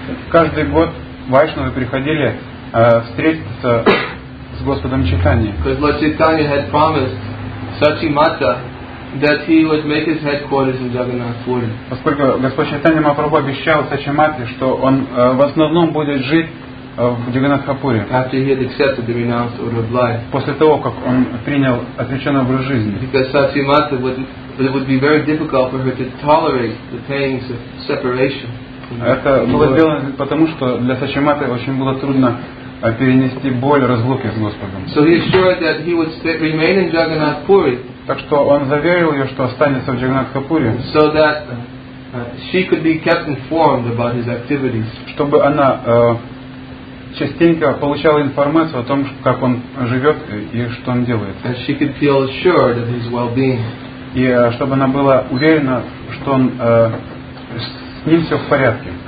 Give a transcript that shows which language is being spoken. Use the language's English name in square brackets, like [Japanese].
[Russian] Каждый год вайшнавы приходили встретиться с Господом Чайтаньей. [English] Because Lord Chaitanya had promised Sachi Mata that he would make his headquarters in Jagannath Puri. [Russian] Поскольку Господь Чайтанья Махапрабху обещал Сачи Мате, что он в основном будет жить в Джаганнатхапуре. [English] After he had accepted the renounced order of life. [Russian] После того, как он принял отреченный образ жизни. [English] Because Sachi Mata would be very difficult for her to tolerate the pains of separation. [Russian] Это было сделано потому, что для Сачи Маты очень было трудно перенести боль разлуки с Господом. [English] So he assured that he would remain in Jagannath Puri. [Russian] Так что он заверил ее, что останется в Джаганнатхапуре. [English] So that she could be kept informed about his activities. [Russian] Чтобы она частенько получала информацию о том, как он живет и что он делает. [English] And she could feel assured of his well-being. [Russian] И чтобы она была уверена, что он с ним все в порядке.